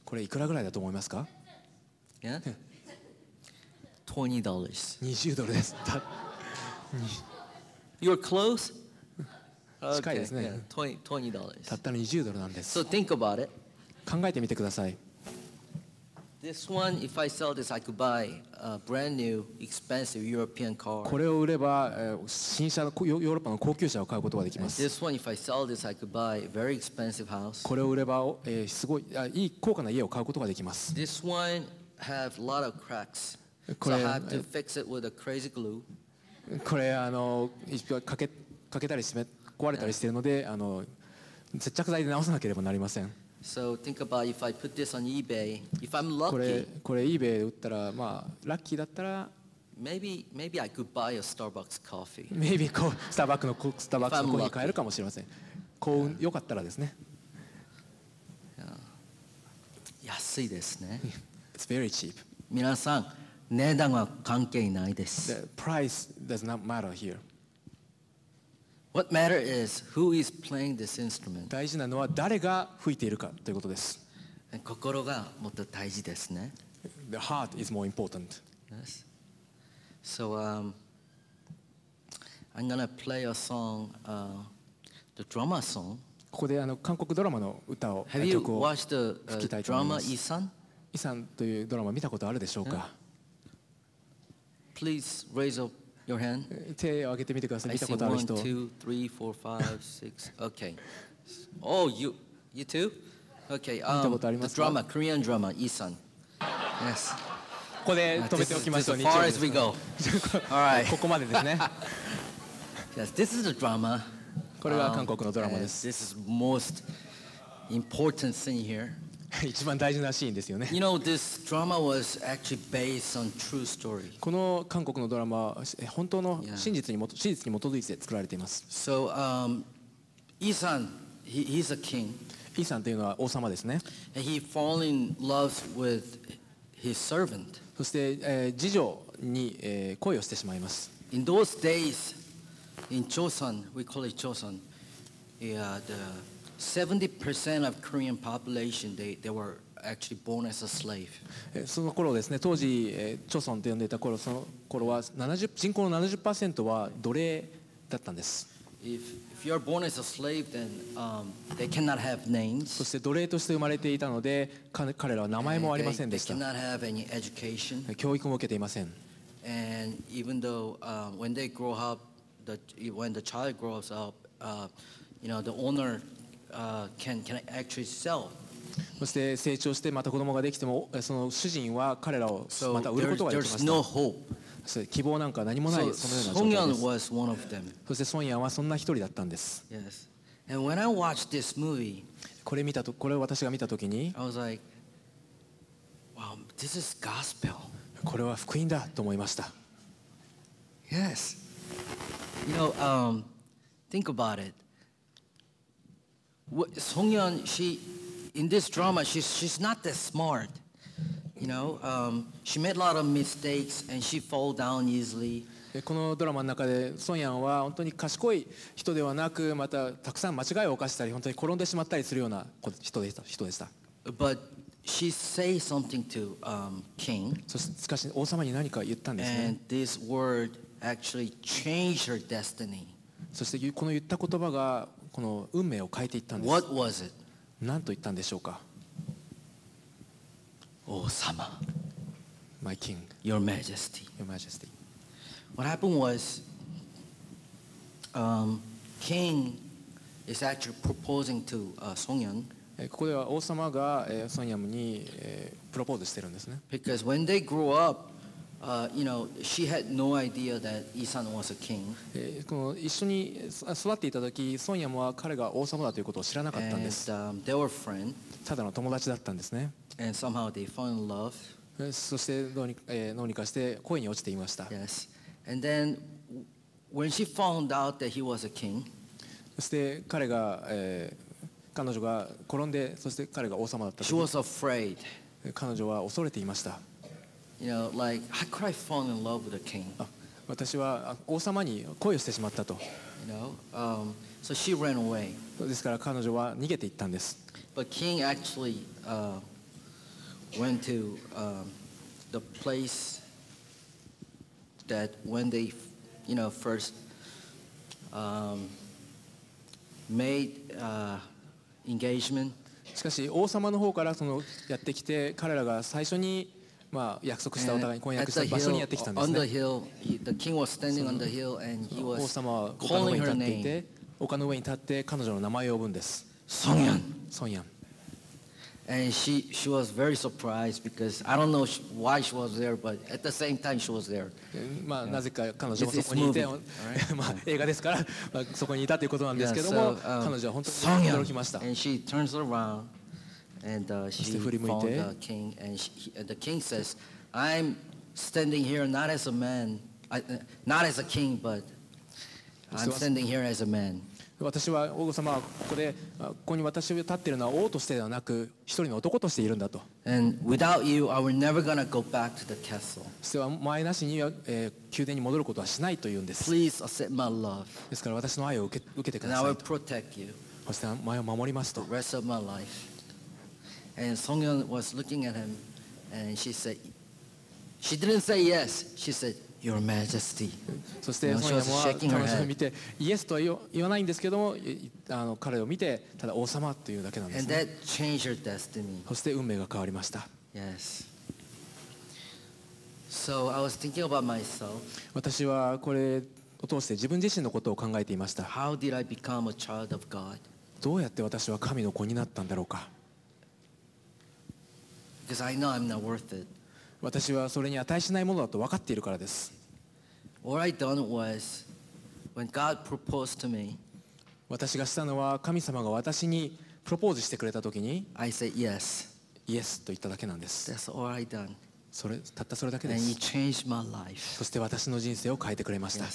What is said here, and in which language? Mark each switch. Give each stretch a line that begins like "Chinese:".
Japanese: これいくらぐらいだと思いますか
English: Yeah. $20.
Japanese: 20ドルです。
English: You're close?
Japanese: 近いですね。
English: $20.
Japanese: たったの20ドルなんです。
English: So think about it.
Japanese: 考えてみてください。
English: This one, if I sell this, I could buy a brand new, expensive European car.
Japanese: これを売れば、新車のヨーロッパの高級車を買うことができます。
English: This one, if I sell this, I could buy a very expensive house.
Japanese: これを売れば、すごい、いい高価な家を買うことができます。
English: This one have a lot of cracks, so I have to fix it with a crazy glue.
Japanese: これあの一回かけたり閉め壊れたりしているので、あの接着剤で直さなければなりません。
English: So think about if I put this on eBay, if I'm lucky.
Japanese: これ eBay で売ったら、まあラッキーだったら、
English: maybe I could buy a Starbucks coffee.
Japanese: Maybe こうスターバックスのコーヒー買えるかもしれません。幸運良かったらですね。安いですね。
English: It's very cheap.
Japanese: 皆さん、値段は関係ないです。
English: The price does not matter here. What matter is who is playing this instrument.
Japanese: 大事なのは誰が吹いているかということです。心がもっと大事ですね。
English: The heart is more important. Yes. So I'm gonna play a song, the drama song.
Japanese: ここであの韓国ドラマの歌を曲を吹きたいと思います。
English: Drama Isan?
Japanese: Isan というドラマ見たことあるでしょうか。
English: Please raise up. Your hand?
Japanese: 手を挙げてみてください。見たことある人。
English: 1, 2, 3, 4, 5, 6. Okay. Oh, you too? Okay.
Japanese: 見たことありますか?
English: The drama, Korean drama, Isan. Yes.
Japanese: ここで止めておきましょう。
English: This is as far as we go. All right.
Japanese: ここまでですね。
English: Yes, this is the drama.
Japanese: これが韓国のドラマです。
English: This is most important scene here.
Japanese: 一番大事なシーンですよね。
English: You know, this drama was actually based on true story.
Japanese: この韓国のドラマは本当の真実に真実に基づいて作られています。
English: So, Isan, he's a king.
Japanese: イーサンというのは王様ですね。
English: And he fall in love with his servant.
Japanese: そして、次女に、恋をしてしまいます。
English: In those days, in Joseon, we call it Joseon, the 70% of Korean population, they were actually born as a slave.
Japanese: その頃ですね、当時、朝鮮と呼んでいた頃、その頃は人口の 70% は奴隷だったんです。
English: If you are born as a slave, then they cannot have names.
Japanese: そして奴隷として生まれていたので、彼らは名前もありませんでした。
English: They cannot have any education.
Japanese: 教育も受けていません。
English: And even though when they grow up, when the child grows up, you know, the owner,can actually sell.
Japanese: そして成長してまた子供ができてもその主人は彼らをまた売ることができました。
English: So there's no hope.
Japanese: 希望なんか何もない、そのような状態です。
English: So Song Yeon was one of them.
Japanese: そしてソンヤンはそんな一人だったんです。
English: Yes. And when I watched this movie,
Japanese: これを私が見たときに、
English: I was like, wow, this is gospel.
Japanese: これは福音だと思いました。
English: Yes. You know, think about it. Song Yeon, she in this drama, she's not that smart, you know. She made a lot of mistakes and she fall down easily.
Japanese: このドラマの中でソンヤンは本当に賢い人ではなく、またたくさん間違いを犯したり、本当に転んでしまったりするような人でした。
English: But she say something to king.
Japanese: しかし王様に何か言ったんですね。
English: And this word actually changed her destiny.
Japanese: そしてこの言った言葉がこの運命を変えていったんです。
English: What was it?
Japanese: 何と言ったんでしょうか。王様。
English: My king. Your Majesty. Your Majesty. What happened was, king is actually proposing to Songyeon.
Japanese: ここでは王様がソンヤムにプロポーズしてるんですね。
English: Because when they grew up, you know, she had no idea that Isan was a king.
Japanese: この一緒に育っていた時、ソンヤムは彼が王様だということを知らなかったんです。
English: And they were friends.
Japanese: ただの友達だったんですね。
English: And somehow they fell in love.
Japanese: そしてどうにかして恋に落ちていました。
English: Yes. And then when she found out that he was a king.
Japanese: そして彼が彼女が転んで、そして彼が王様だった時、
English: She was afraid.
Japanese: 彼女は恐れていました。
English: You know, like, how could I fall in love with a king?
Japanese: 私は王様に恋をしてしまったと。
English: You know, so she ran away.
Japanese: ですから彼女は逃げていったんです。
English: But king actually, went to, the place that when they, you know, first, made, engagement.
Japanese: しかし王様の方からそのやってきて彼らが最初にまあ約束したお互いに婚約した場所にやってきたんですね。
English: On the hill, the king was standing on the hill and he was
Japanese: 王様は丘の上に立っていて丘の上に立って彼女の名前を呼ぶんです。 Songyeon. Songyeon.
English: And she was very surprised because I don't know why she was there, but at the same time she was there.
Japanese: まあなぜか彼女もそこにいて、まあ映画ですからまあそこにいたということなんですけども、彼女は本当に驚きました。
English: And she turns around and she found the king and the king says, "I'm standing here not as a man, not as a king, but I'm standing here as a man."
Japanese: 私は王様はここに私を立っているのは王としてではなく一人の男としているんだと。
English: And without you, I will never gonna go back to the castle.
Japanese: それは前なしには宮殿に戻ることはしないというんです。
English: Please accept my love.
Japanese: ですから私の愛を受けてくださいと。
English: And I will protect you.
Japanese: そして前を守りますと。
English: The rest of my life. And Songyeon was looking at him, and she said, she didn't say yes. She said. Your Majesty.
Japanese: そしてソンヤムは彼女を見てイエスとは言わないんですけども彼を見てただ王様というだけなんですね。
English: And that changed her destiny.
Japanese: そして運命が変わりました。
English: Yes. So I was thinking about myself.
Japanese: 私はこれを通して自分自身のことを考えていました。
English: How did I become a child of God?
Japanese: どうやって私は神の子になったんだろうか。
English: Because I know I'm not worth it. 私はそれに値しないものだと分かっているからです。 What I done was, when God proposed to me,
Japanese: 私がしたのは神様が私にプロポーズしてくれたときに、
English: I said yes.
Japanese: Yes と言っただけなんです。
English: That's all I done.
Japanese: それたったそれだけです。
English: And He changed my life.
Japanese: そして私の人生を変えてくれました。